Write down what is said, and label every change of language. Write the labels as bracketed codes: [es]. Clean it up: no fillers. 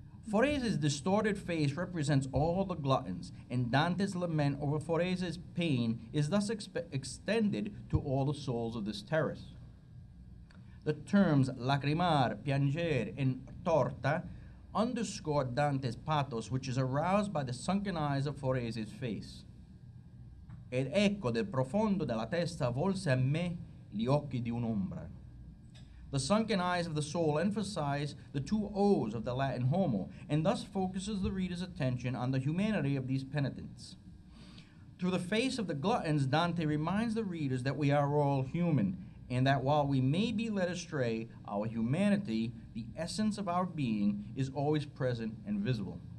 [en] Forese's distorted face represents all the gluttons, and Dante's lament over Forese's pain is thus extended to all the souls of this terrace. The terms lacrimar, piangere, and torta underscore Dante's pathos, which is aroused by the sunken eyes of Forese's face. [it] Ed ecco del profondo della testa volse a me gli occhi di un'ombra. [en] The sunken eyes of the soul emphasize the two O's of the Latin homo, and thus focuses the reader's attention on the humanity of these penitents. Through the face of the gluttons, Dante reminds the readers that we are all human, and that while we may be led astray, our humanity, the essence of our being, is always present and visible.